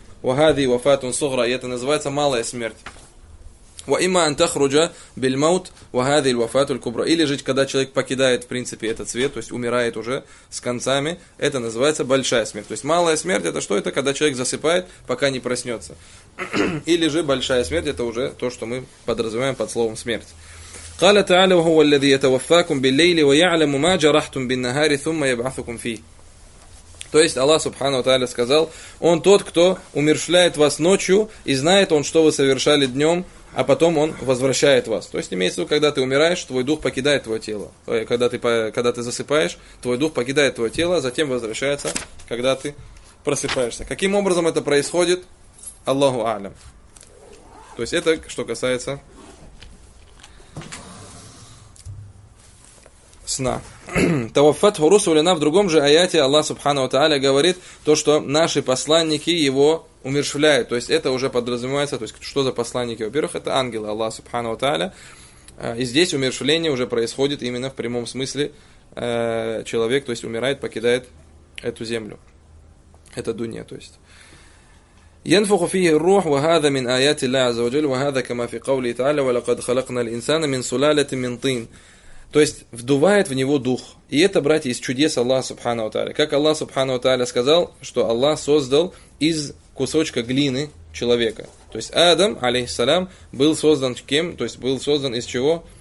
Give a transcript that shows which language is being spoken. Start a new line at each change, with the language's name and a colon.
Arabic: وهذه وفاة صغرى
Russian: это называется малая смерть.
Arabic: وإما أن تخرج بالموت وهذه الوفاة الكبرى
Russian: или же когда человек покидает в принципе этот свет, то есть умирает уже с концами, это называется большая смерть. То есть малая смерть это что? Это когда человек засыпает, пока не проснется. Или же большая смерть это уже то, что мы подразумеваем под словом смерть.
Arabic: قال تعالى وهو الذي يتوفاكم بالليل ويعلم ما جرحتم بالنهار ثم يبعثكم فيه.
Russian: То есть Аллах Субхану Тааля сказал, он тот, кто умерщвляет вас ночью, и знает он, что вы совершали днем, а потом он возвращает вас. То есть имеется в виду, когда ты умираешь, твой дух покидает твое тело. Когда ты засыпаешь, твой дух покидает твое тело, а затем возвращается, когда ты просыпаешься. Каким образом это происходит? Аллаху Алям. То есть это, что касается сна.
Arabic: Таваффатху русулина,
Russian: в другом же аяте Аллах Субхана ва Тааля говорит то, что наши посланники его умерщвляют. То есть это уже подразумевается, то есть что за посланники? Во-первых, это ангелы Аллаха Субхана ва Тааля. И здесь умерщвление уже происходит именно в прямом смысле. Человек, то есть умирает, покидает эту землю. Это дунья, то есть.
Arabic: ينفخ فيه الروح وهذا من آيات الله عز وجل وهذا كما في قوله تعالى ولقد خلقنا الإنسان من سلالة من طين.
Russian: То есть, вдувает в него дух. И это, братья, из чудес Аллаха Субхана ва Тааля. Как Аллах Субхана ва Тааля сказал, что Аллах создал из кусочка глины человека. То есть, Адам, алейхиссалям, был создан кем? То есть, был создан из чего?